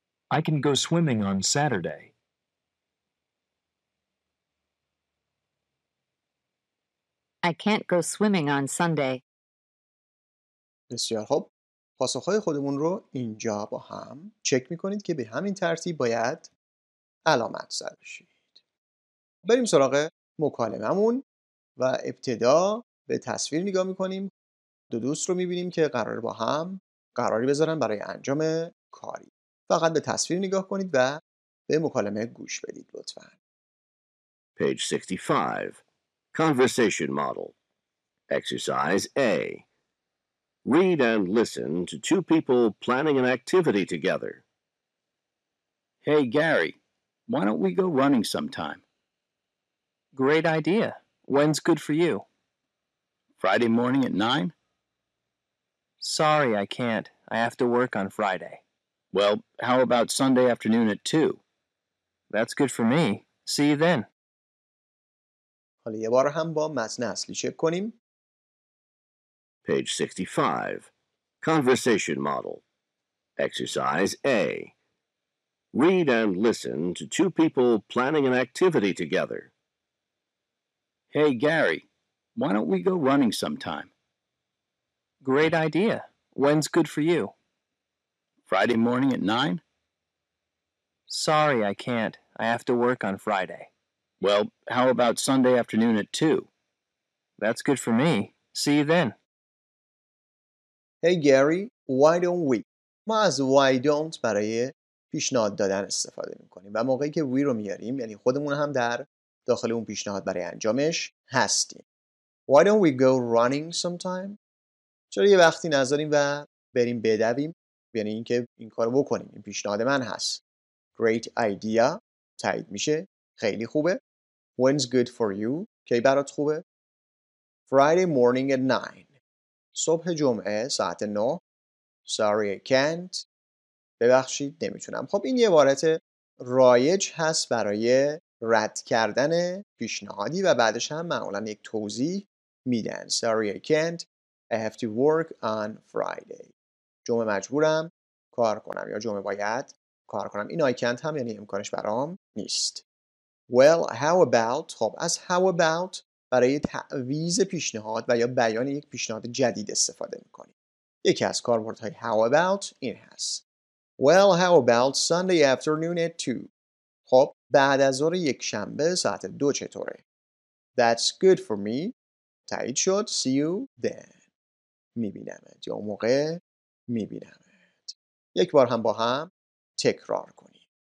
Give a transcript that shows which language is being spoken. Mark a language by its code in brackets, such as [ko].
[en] I can go swimming on Saturday. I can't go swimming on Sunday. [fa] بسیار خوب. پاسخهای خودمون رو اینجا با هم چک میکنید که به همین ترتیب باید علامت زده بشید. بریم سراغ مکالمه‌مون و ابتدا به تصویر نگاه میکنیم. دو دوست رو میبینیم که قرار با هم قراری بذارن برای انجام کاری. فقط به تصویر نگاه کنید و به مکالمه گوش بدید لطفاً. [en] Page 65. Conversation model. Exercise A. Read and listen to two people planning an activity together. Hey, Gary, why don't we go running sometime? Great idea. When's good for you? Friday morning at 9? Sorry, I can't. I have to work on Friday. Well, how about Sunday afternoon at 2? That's good for me. See you then. [fa] حالا یه بار هم با متن اصلی چک کنیم. [en] Page 65. Conversation model. Exercise A. Read and listen to two people planning an activity together. Hey, Gary, why don't we go running sometime? Great idea. When's good for you? Friday morning at 9? Sorry, I can't. I have to work on Friday. Well, how about Sunday afternoon at 2? That's good for me. See you then. Hey Gary, why don't we? [fa] ما از why don't برای پیشنهاد دادن استفاده میکنیم و موقعی که we رو میاریم یعنی خودمون هم در داخل اون پیشنهاد برای انجامش هستیم. [en] Why don't we go running sometime? [fa] چرا یه وقتی نذاریم و بریم بدویم؟ یعنی اینکه این کارو بکنیم. این پیشنهاد من هست. [en] Great idea. [fa] تایید میشه. خیلی خوبه. [en] When's good for you? [fa] کی برات خوبه؟ [en] Friday morning at 9. [fa] صبح جمعه ساعت 9. [en] Sorry, I can't. [fa] ببخشید نمیتونم. خب این یه عبارت رایج هست برای رد کردن پیشنهادی و بعدش هم معمولا یک توضیح میدن. [en] Sorry, I can't. I have to work on Friday. [fa] جمعه مجبورم کار کنم یا جمعه باید کار کنم. این I can't هم یعنی امکانش برام نیست. [en] Well, how about؟ [fa] خب از how about؟ برای تعویض پیشنهاد و یا بیان یک پیشنهاد جدید استفاده میکنیم. یکی از کاربردهای how about این هست. [en] Well, how about Sunday afternoon at 2? [fa] خب بعد از ظهر یک شنبه ساعت 2 چطوره؟ [en] That's good for me. [fa] تایید شد. [en] See you then. [fa] میبینمت. یا موقع میبینمت. یک بار هم با هم تکرار کنیم.